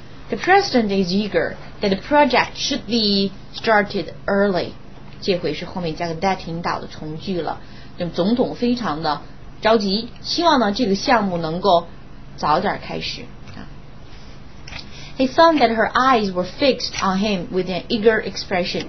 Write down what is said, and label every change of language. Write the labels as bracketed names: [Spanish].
[English] The president is eager that the project should be started early. [Chinese] 这回是后面加个 that 引导的从句了，那总统非常的着急，希望呢这个项目能够早点开始。 [English] He found that her eyes were fixed on him with an eager expression.